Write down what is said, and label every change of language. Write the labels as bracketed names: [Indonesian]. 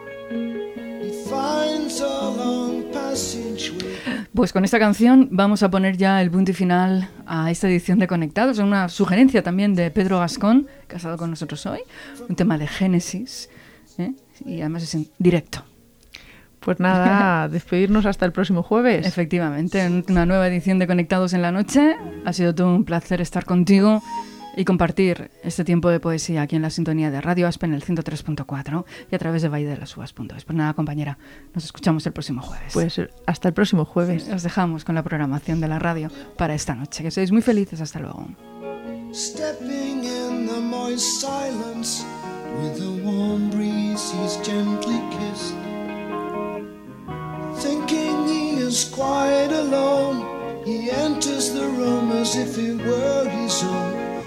[English] He finds a long passage way. [Spanish] Pues con esta canción vamos a poner ya el punto final a esta edición de Conectados. Es una sugerencia también de Pedro Gascón, que ha estado con nosotros hoy. Un tema de Génesis, y además es en directo. Pues nada, despedirnos hasta el próximo jueves. Efectivamente, una nueva edición de Conectados en la noche. Ha sido todo un placer estar contigo y compartir este tiempo de poesía aquí en la sintonía de Radio Aspen, en el 103.4, y a través de valledelasuvas.es. Pues nada, compañera, nos escuchamos el próximo jueves. Pues hasta el próximo jueves. Sí, os dejamos con la programación de la radio para esta noche. Que seáis muy felices. Hasta luego. [English] Stepping in the moist silence with the warm breeze he's gently kissed. Thinking he is quite alone, he enters the room as if it were his own.